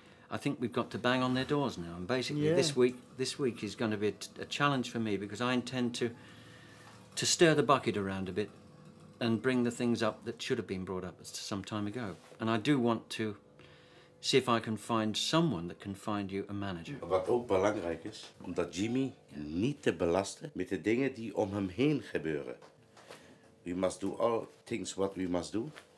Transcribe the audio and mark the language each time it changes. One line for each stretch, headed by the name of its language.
English: I think we've got to bang on their doors now. And basically this week is going to be a challenge for me, because I intend to stir the bucket around a bit and bring the things up that should have been brought up some time ago. And I do want to See if I can find someone that can find you a manager.
Dutch: Wat ook belangrijk is, om dat Jimmy niet te belasten met de dingen die om hem heen gebeuren.
English: We must do all things what we must do.